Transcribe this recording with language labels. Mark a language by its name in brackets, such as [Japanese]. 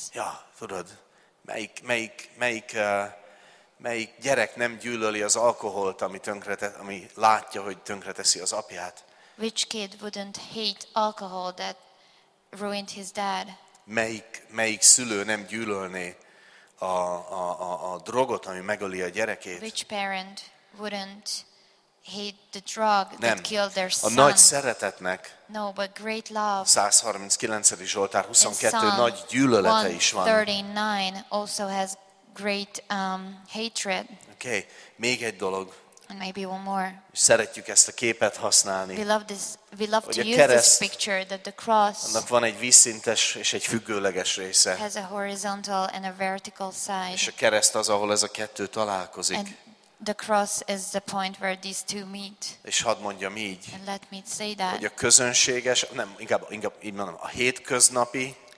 [Hungarian] Ja, tudod, melyik melyik gyerek nem gyűlöli az alkoholt, ami látja, hogy tönkreteszi az apját? [English] Which kid wouldn't hate alcohol that ruined his dad? [Hungarian] Melyik szülő nem gyűlölné a drogot, ami megöli a gyerekét? [English] Which parent wouldn't hate the drug that Killed their son? [Hungarian] A nagy szeretetnek. [English] No, but great love. 139. [Hungarian] Zsoltár 22 nagy gyűlölete is van. [English] 139 also has great hatred. [Hungarian] Okay, még egy dolog. [English] And maybe one more. [Hungarian] Szeretjük ezt a képet használni. [English] We love to use this picture that the cross. [Hungarian] Annak van egy vízszintes és egy függőleges része. [English] Has a horizontal and a vertical side. [Hungarian] És a kereszt az, ahol ez a kettő találkozik. [English] And the cross is the point where these two meet. [Hungarian] És hadd mondjam így. [English] And let me say that. [Hungarian] Hogy a közönséges, nem, inkább így mondom, a hétköznapi.